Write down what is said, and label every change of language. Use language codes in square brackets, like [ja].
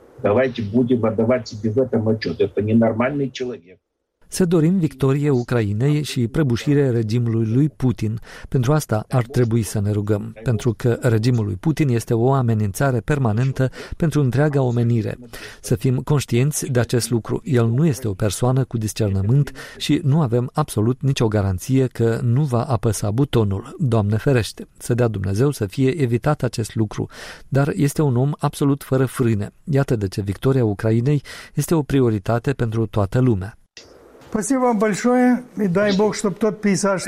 [ru] Давайте будем отдавать себе в этом отчет. Это ненормальный человек. [ro] Să dorim victorie Ucrainei și prăbușirea regimului lui Putin. Pentru asta ar trebui să ne rugăm, pentru că regimul lui Putin este o amenințare permanentă pentru întreaga omenire. Să fim conștienți de acest lucru. El nu este o persoană cu discernământ și nu avem absolut nicio garanție că nu va apăsa butonul. Doamne ferește, să dea Dumnezeu să fie evitat acest lucru, dar este un om absolut fără frâne. Iată de ce victoria Ucrainei este o prioritate pentru toată lumea. [ru] Спасибо вам большое, и дай Бог, чтобы тот пейзаж